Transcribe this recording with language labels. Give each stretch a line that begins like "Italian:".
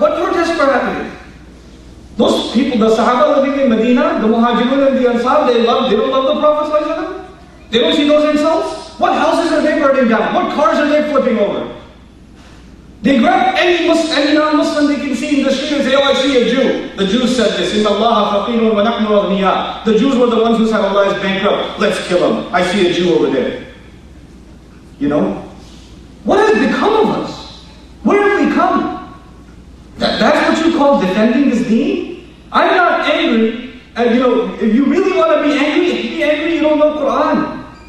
English: What protests were happening? Those people, the Sahaba living in Medina, the Muhajirun and the Ansar, they don't love the Prophet ﷺ? They don't see those insults? What houses are they burning down? What cars are they flipping over? They grab any non-Muslim they can see in the street and say, oh, I see a Jew. The Jews said this,
Arabic: إِنَّ اللَّهَ فَقِينُ وَنَحْنُ أَغْنِيَا.
English: The Jews were the ones who said, Allah is bankrupt. Let's kill him. I see a Jew over there. You know? What has become of us? Where have we come? That's what you call defending this deen? I'm not angry. And you know, if you really want to be angry, you don't know Quran.